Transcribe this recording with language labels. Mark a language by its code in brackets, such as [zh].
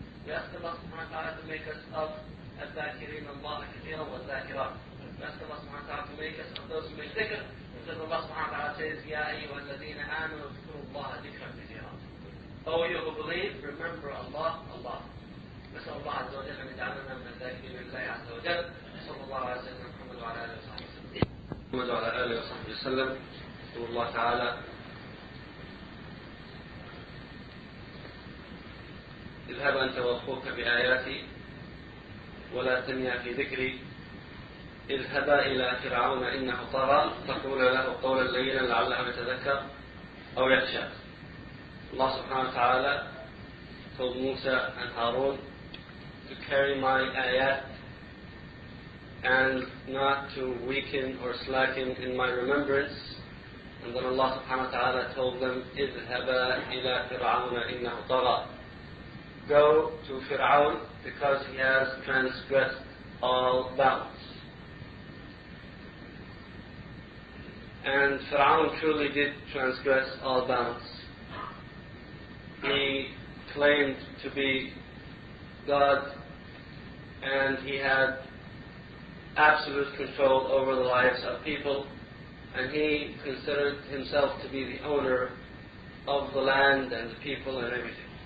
[en] We ask Allah subhanahu wa ta'ala to make us of [ar] al-dhakirin al-ma'akirin al-dhakirat. [en] We ask Allah subhanahu wa ta'ala to make us of those who make dhikr. Because Allah subhanahu wa ta'ala says, [ar] Ya ayyuha al-ladhina amanu dhkuru Allaha dhikran kathiran. [en] O you who believe, remember Allah, Allah. [ar] نسأل الله عز وجل أن يجعلنا من الذاكرين لله عز وجل صلى الله عليه وسلم محمد وعلى آله وصحبه وسلم محمد وعلى آله وصحبه وسلم يقول الله تعالى اذهب أنت وأخوك بآياتي ولا تنيا في ذكري اذهبا إلى فرعون إنه طغى فقولا له قولا لينا لعله يتذكر أو يخشى الله سبحانه وتعالى [en] told موسى and هارون to carry my ayat and not to weaken or slacken in my remembrance. And then Allah subhanahu wa ta'ala told them, [ar] اذهبَ إِلَى فِرْعَوْنَ إِنَّهُ طَغَى. [en] Go to Fir'aun because he has transgressed all bounds. And Fir'aun truly did transgress all bounds. He claimed to be God and he had absolute control over the lives of people, and he considered himself to be the owner of the land and the people and everything.